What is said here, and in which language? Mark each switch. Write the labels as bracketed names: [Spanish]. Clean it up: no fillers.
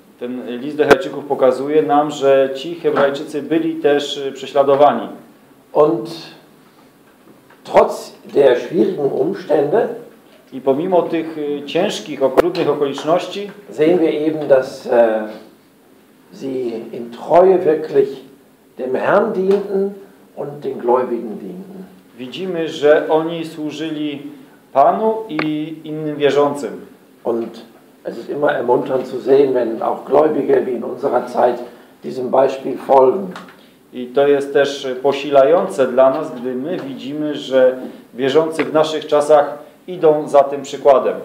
[Polish] Ten list do Hebrajczyków pokazuje nam, że ci Hebrajczycy byli też prześladowani. [German] Und trotz der schwierigen Umstände, [Polish] i pomimo tych ciężkich, okrutnych okoliczności, [German] sehen wir eben, dass sie in Treue wirklich dem Herrn dienten und den Gläubigen dienten. [Polish] Widzimy, że oni służyli Panu i innym wierzącym. [German] Und es ist immer ermunternd zu sehen, wenn auch Gläubige wie in unserer Zeit diesem Beispiel folgen. [Polish] I to jest też posilające dla nas, gdy my widzimy, że wierzący w naszych czasach idą za tym przykładem.